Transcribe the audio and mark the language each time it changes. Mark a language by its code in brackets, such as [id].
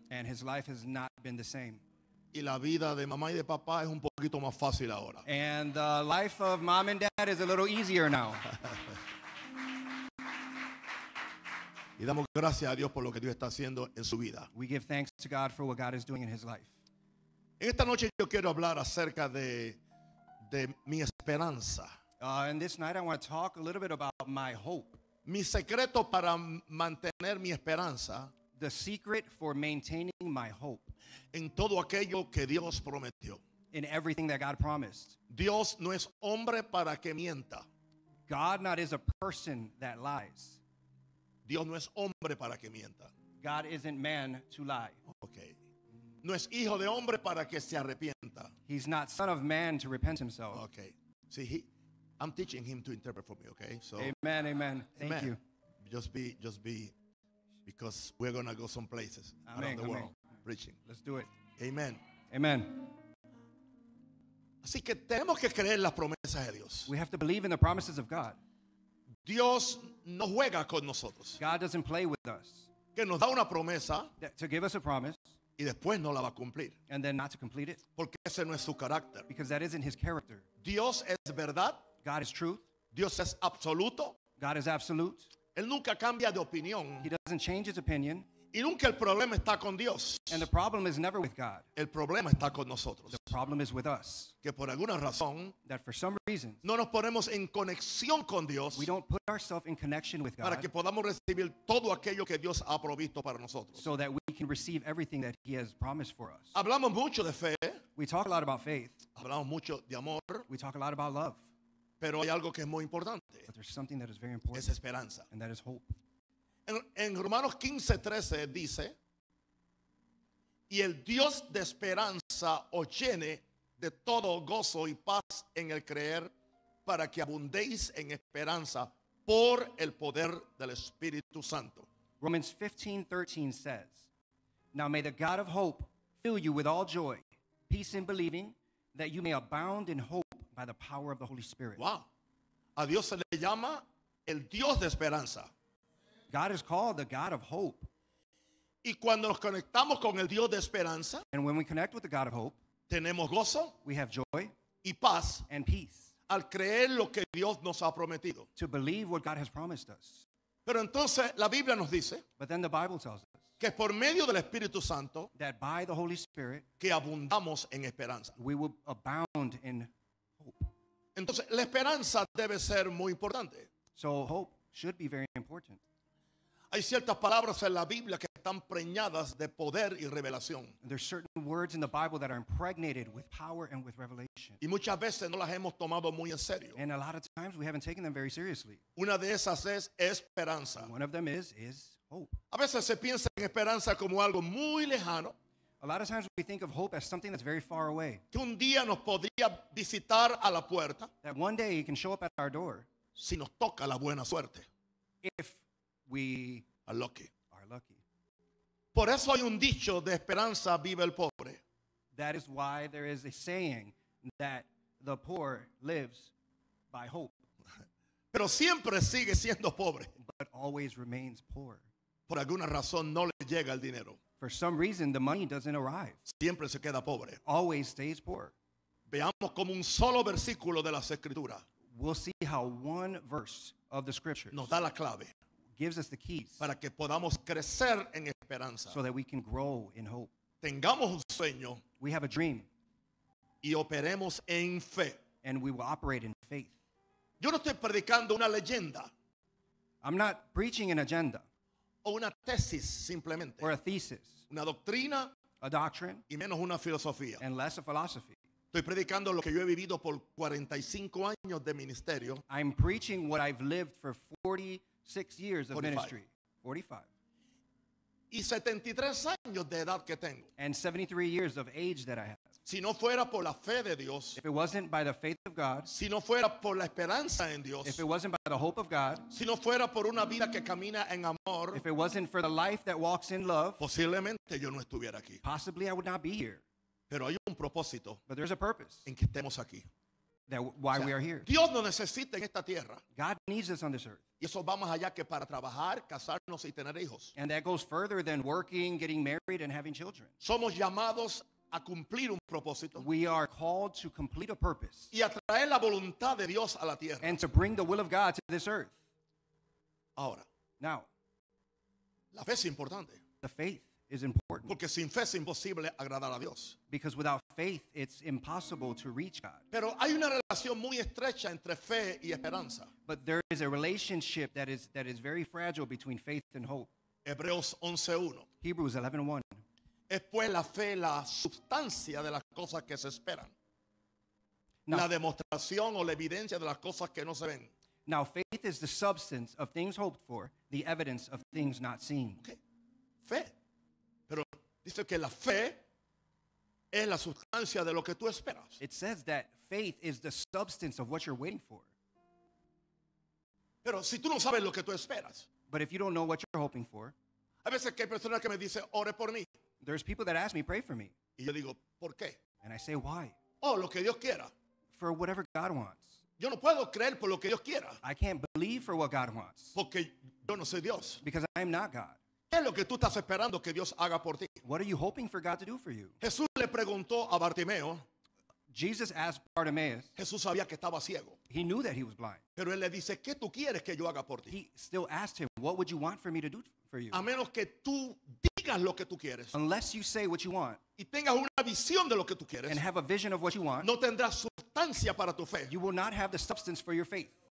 [en] And his life has not been the same. [es] Y la vida de mamá y de papá es un poquito más fácil ahora. [en] And the life of mom and dad is a little easier now. [es] Y damos gracias a Dios por lo que Dios está haciendo en su vida. [en] We give thanks to God for what God is doing in his life. [es] En esta noche yo quiero hablar acerca de mi esperanza. [en] And this night I want to talk a little bit about my hope. [es] Mi secreto para mantener mi esperanza. [en] The secret for maintaining my hope. [es] En todo aquello que Dios prometió. [en] In everything that God promised. [es] Dios no es hombre para que mienta. [en] God not is a person that lies. [es] Dios no es hombre para que mienta. [en] God isn't man to lie. Okay. [es] No es hijo de hombre para que se arrepienta. [en] He's not son of man to repent himself. Okay. See, I'm teaching him to interpret for me, okay? So, amen, amen. Thank amen. You. Just be, because we're going to go some places amen, around the amen. World preaching. Let's do it. Amen. Amen. [es] Así que tenemos que creer las promesas de Dios. [en] We have to believe in the promises of God. [es] Dios no juega con nosotros. [en] God doesn't play with us. [es] Que nos da una promesa. [en] To give us a promise. [es] Y después no la va a cumplir. [en] And then not to complete it. [es] Porque ese no es su carácter. [en] Because that isn't his character. [es] Dios es verdad. [en] God is truth. [es] Dios es absoluto. [en] God is absolute. [es] Él nunca cambia de opinión. [en] He doesn't change his opinion. [es] Y nunca el problema está con Dios. [en] And the problem is never with God. [es] El problema está con nosotros. [en] The problem is with us. [es] Que por alguna razón. [en] That for some reason. [es] No nos ponemos en conexión con Dios. [en] We don't put ourselves in connection with God. [es] Para que podamos recibir todo aquello que Dios ha provisto para nosotros. [en] So that we can receive everything that he has promised for us. [es] Hablamos mucho de fe. [en] We talk a lot about faith. [es] Hablamos mucho de amor. [en] We talk a lot about love. [es] Pero hay algo que es muy importante. [en] But there's something that is very important. [es] Es esperanza. [en] And that is hope. [es] En Romanos 15:13 dice, y el Dios de esperanza os llene de todo gozo y paz en el creer para que abundéis en esperanza por el poder del Espíritu Santo. [en] Romans 15:13 says, now may the God of hope fill you with all joy, peace in believing, that you may abound in hope by the power of the Holy Spirit. Wow. [es] A Dios se le llama el Dios de esperanza. [en] God is called the God of hope. [es] Y cuando nos conectamos con el Dios de esperanza, [en] and when we connect with the God of hope, [es] tenemos gozo, [en] we have joy, [es] y paz, [en] and peace, [es] al creer lo que Dios nos ha prometido, [en] to believe what God has promised us. [es] Pero entonces la Biblia nos dice, [en] but then the Bible tells us, [es] que por medio del Espíritu Santo, [en] that by the Holy Spirit, [es] que abundamos en esperanza, [en] we will abound in hope. [es] Entonces la esperanza debe ser muy importante. [en] So hope should be very important. [es] Hay ciertas palabras en la Biblia que están preñadas de poder y revelación. [en] There are certain words in the Bible that are impregnated with power and with revelation. [es] Y muchas veces no las hemos tomado muy en serio. [en] And a lot of times we haven't taken them very seriously. [es] Una de esas es esperanza. [en] One of them is hope. [es] A veces se piensa en esperanza como algo muy lejano. [en] A lot of times we think of hope as something that's very far away. [es] Que un día nos podría visitar a la puerta. [en] That one day he can show up at our door. [es] Si nos toca la buena suerte. [en] If we are lucky. [es] Por eso hay un dicho de esperanza vive el pobre. [en] That is why there is a saying that the poor lives by hope. [es] Pero siempre sigue siendo pobre. [en] But always remains poor. [es] Por alguna razón no le llega el dinero. [en] For some reason the money doesn't arrive. [es] Siempre se queda pobre. [en] Always stays poor. [es] Veamos como un solo versículo de las escrituras. [en] We'll see how one verse of the scriptures [es] nos da la clave. [en] Gives us the keys [es] para que podamos crecer en esperanza. [en] So that we can grow in hope. [es] Tengamos un sueño. [en] We have a dream. [es] Y operemos en fe. [en] And we will operate in faith. [es] Yo no estoy predicando una leyenda. [en] I'm not preaching an agenda. [es] O una tesis simplemente. [en] Or a thesis. [es] Una doctrina. [en] A doctrine. [es] Y menos una filosofía. [en] And less a philosophy. [es] Estoy predicando lo que yo he vivido por 45 años de ministerio. [en] I'm preaching what I've lived for 46 years of 45. Ministry. 45. [es] Y 73 años de edad que tengo. [en] And 73 years of age that I have. [es] Si no fuera por la fe de Dios, [en] if it wasn't by the faith of God, [es] si no fuera por la esperanza en Dios, [en] if it wasn't by the hope of God, [es] si no fuera por una vida que camina en amor, [en] if it wasn't for the life that walks in love, [es] posiblemente yo no estuviera aquí. [en] Possibly I would not be here. [es] Pero hay un propósito, [en] but there's a purpose [es] en que estemos aquí. [en] That why, [es] o sea, [en] we are here. [es] Dios nos necesita en esta tierra. [en] God needs us on this earth. [es] Y eso va más allá que para trabajar, casarnos y tener hijos. [en] And that goes further than working, getting married, and having children. [es] Somos llamados a cumplir un propósito. [en] We are called to complete a purpose. [es] Y a traer la voluntad de Dios a la tierra. [en] And to bring the will of God to this earth. [es] Ahora. [en] Now. [es] La fe es importante. [en] The faith is important. [es] Porque sin fe es imposible agradar a Dios. [en] Because without faith, it's impossible to reach God. [es] Pero hay una relación muy estrecha entre fe y esperanza. [en] But there is a relationship that is very fragile between faith and hope. [es] Hebreos 11:1. [en] Hebrews 11:1. [es] Es pues la fe la sustancia de las cosas que se esperan. La demostración o la evidencia de las cosas que no se ven. [en] Now faith is the substance of things hoped for, the evidence of things not seen. Okay. Fe. [es] Pero dice que la fe es la sustancia de lo que tú esperas. [en] It says that faith is the substance of what you're waiting for. [es] Pero si tú no sabes lo que tú esperas. [en] But if you don't know what you're hoping for. [es] A veces que hay personas que me dicen, ore por mí. [en] There's people that ask me, pray for me. [es] Y yo digo, ¿por qué? [en] And I say, why? [es] Oh, lo que Dios quiera. [en] For whatever God wants. [es] Yo no puedo creer por lo que Dios quiera. [en] I can't believe for what God wants. [es] Porque yo no soy Dios. [en] Because I am not God. [es] ¿Qué es lo que tú estás esperando que Dios haga por ti? [en] What are you hoping for God to do for you? [es] Jesús le preguntó a Bartimeo. [en] Jesus asked Bartimaeus. [es] Jesús sabía que estaba ciego. [en] He knew that he was blind. [es] Pero él le dice, ¿qué tú quieres que yo haga por ti? [en] He still asked him, what would you want for me to do for you? [es] A menos que tú digas lo que tú quieres. [en] Unless you say what you want. [es] Y tengas una visión de lo que tú quieres. [en] And have a vision of what you want. [es] No tendrás sustancia para tu fe. [en] You will not have the substance for your faith.